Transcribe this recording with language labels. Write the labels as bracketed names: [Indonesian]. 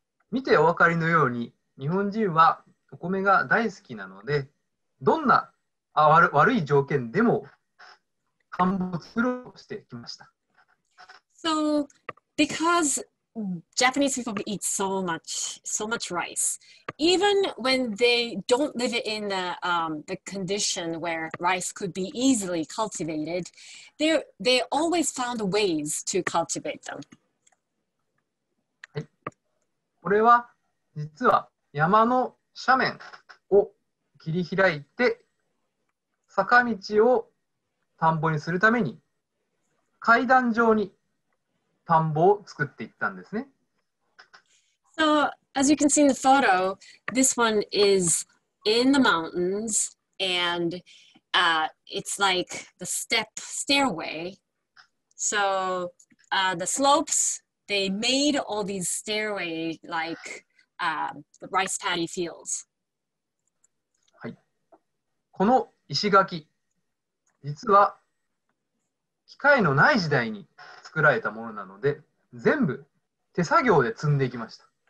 [Japanese] 見てお分かりのように、日本人はお米が大好きなので、どんな悪い条件でも田んぼを作ろうとしてきました。 [English] So, because Japanese people eat so much rice, even when they don't live in the condition where rice could be easily cultivated, they always found ways to cultivate them. [Japanese] はい。これは実は山の斜面を切り開いて坂道を田んぼにするために階段状に田んぼを作っていったんですね。 [English] So, as you can see in the photo, this one is in the mountains and it's like the stairway. So, the slopes, they made all these stairway like the rice paddy fields. [Japanese] はい。この石垣、実は機械のない時代に作られたものなので、全部手作業で積んでいきました。